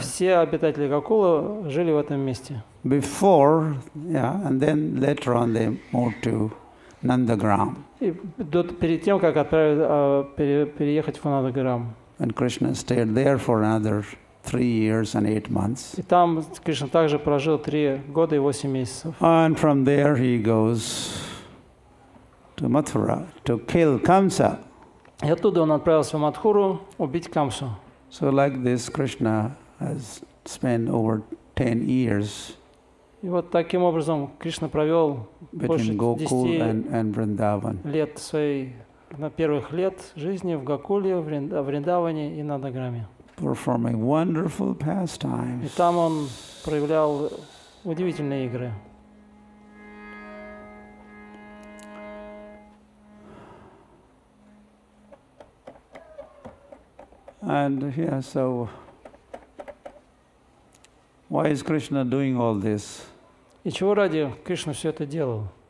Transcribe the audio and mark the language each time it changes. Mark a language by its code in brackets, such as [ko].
[ru] Все обитатели Гокула жили в этом месте. [en] Before, yeah, and then later on they moved to Nandagram. [ru] И перед тем, как переехать в Нандаграм. [en] And Krishna stayed there for another 3 years and 8 months. [ru] И там Кришна также прожил 3 года и 8 месяцев. [en] And from there he goes to Mathura to kill Kamsa. [ru] И оттуда он отправился в Матхуру убить Камсу. [en] So like this, Krishna has spent over 10 years. [ru] И вот таким образом Кришна провел больше 10 лет своей на первых лет жизни в Гокуле, в Вриндаване и на Даграме. [en] Performing wonderful pastimes. [ru] И там он проявлял удивительные игры. [en] And yeah, so why is Krishna doing all this? [ru] И чего ради Кришна все это делал?